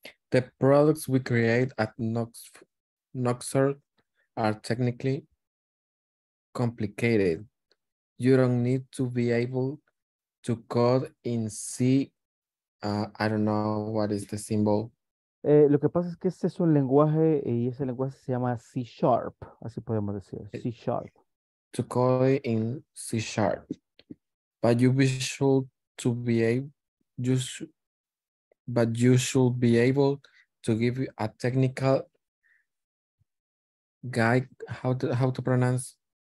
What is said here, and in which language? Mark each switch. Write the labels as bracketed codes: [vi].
[en] The products we create at Noxor are technically complicated. You don't need to be able to code in C. I don't know what is the symbol. [es] Lo que pasa es que este es un lenguaje y ese lenguaje se llama C sharp. Así podemos decir, C sharp. [en] To code in C sharp. But you should be able to give you a technical guide, how to pronounce?